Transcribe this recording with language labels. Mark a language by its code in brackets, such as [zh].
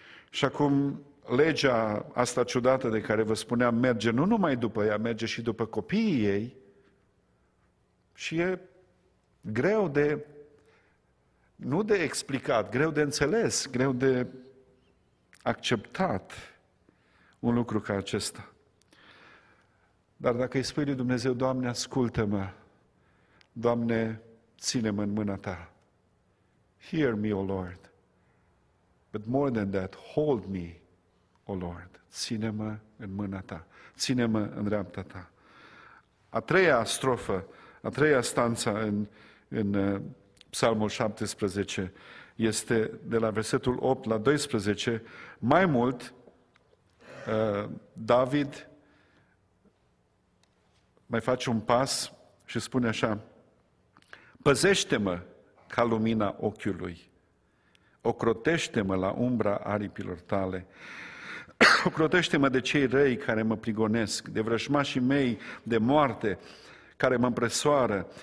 [ro] Și acum legea asta ciudată de care vă spuneam merge nu numai după ea, merge și după copiii ei și e greu de, nu de explicat, greu de înțeles, greu de acceptat un lucru ca acesta. Dar dacă îi spui lui Dumnezeu, Doamne, ascultă-mă, Doamne, ține-mă în mâna Ta. [en] Hear me, O Lord. But more than that, hold me, O Lord. [ro] Ține-mă în mâna Ta. Ține-mă în dreapta Ta. A treia strofă, a treia stanță în Psalmul 17 este de la versetul 8 la 12. Mai mult, David mai face un pas și spune așa, păzește-mă ca lumina ochiului, ocrotește-mă la umbra aripilor Tale, ocrotește-mă de cei răi care mă prigonesc, de vrăjmașii mei de moarte care mă împresoară.